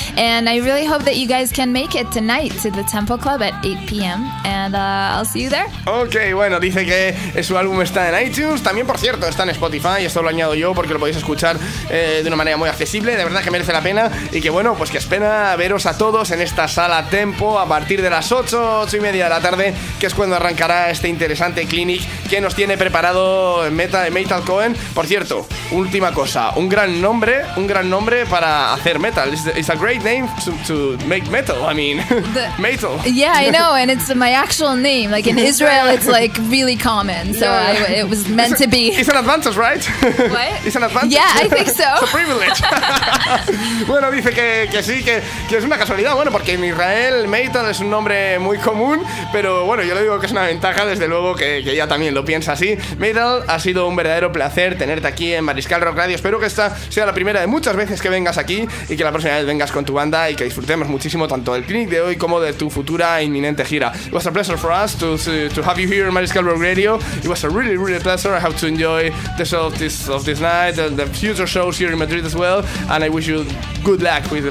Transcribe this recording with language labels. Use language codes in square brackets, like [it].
[en] And I really hope that you guys can make it tonight to the Temple Club at 8 p.m. And I'll see you there. [es] Okay, bueno, dice que su álbum está en iTunes. También, por cierto, está en Spotify. Esto lo añado yo porque lo podéis escuchar de una manera muy accesible. De verdad que merece la pena. Y que bueno, pues que espera veros a todos en esta sala Tempo a partir de las 8, 8 y media de la tarde, que es cuando arrancará este interesante clinic que nos tiene preparado Meta de Metal Cohen. Por cierto, última cosa, un gran nombre para hacer metal. [en] It's a great name to make metal. I mean, metal. Yeah, I know, and it's my actual name. Like in Israel, it's like really common. So yeah. It was meant to be. It's an advantage, right? What? It's an advantage. Yeah, I think so. It's a privilege. [es] Bueno, dice que sí, que es una casualidad. Bueno, porque en Israel metal es un nombre muy común, pero bueno, yo le digo que es una ventaja, desde luego que ella también lo piensa así. Metal ha sido un verdadero placer tenerte aquí en Mariscal Rock Radio. Espero que esta sea la primera de muchas veces que vengas aquí y que la próxima vez vengas con tu banda y que disfrutemos muchísimo tanto del clinic de hoy como de tu futura inminente gira. [en] It was a pleasure for us to have you here in Mariscal Rock Radio. It was a really, really pleasure. I hope to enjoy the show of this night and the future shows here in Madrid as well. And I wish you good luck with the future.